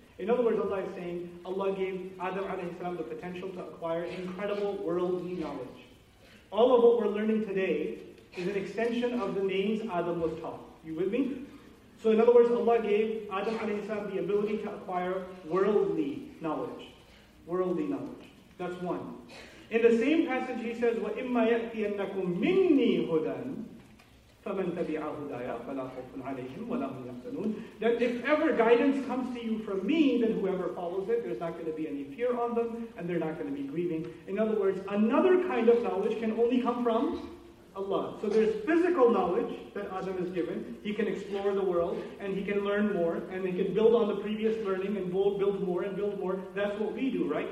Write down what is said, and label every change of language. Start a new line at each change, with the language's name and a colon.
English: In other words, Allah is saying, Allah gave Adam alayhi salam the potential to acquire incredible worldly knowledge. All of what we're learning today is an extension of the names Adam was taught. You with me? So in other words, Allah gave Adam alayhi salam the ability to acquire worldly knowledge. Worldly knowledge. That's one. In the same passage he says,
Arabic: وَإِمَّا يَأْتِيَنَّكُمْ مِنِّي هُدًى فَمَنْ تَبِعَ هُدَايَ فَلَا خَوْفٌ عَلَيْهِمْ وَلَا هُمْ يَحْزَنُونَ.
English: That if ever guidance comes to you from me, then whoever follows it, there's not going to be any fear on them, and they're not going to be grieving. In other words, another kind of knowledge can only come from Allah. So there's physical knowledge that Adam is given. He can explore the world, and he can learn more, and he can build on the previous learning, and build more, and build more. That's what we do, right?